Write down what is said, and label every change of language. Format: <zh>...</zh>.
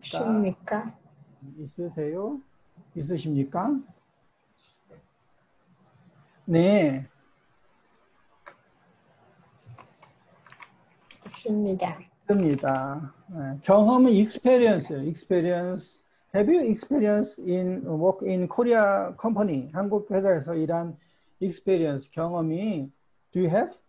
<ko>있습니까? 있으세요? 있으십니까? 네. 있습니다. 있습니다. 네. 경험은 experience예요.</ko> <en>Experience. Have you experience in work in Korea company?</en> <ko>한국 회사에서 일한 experience 경험이</ko> <en>do you have?</en>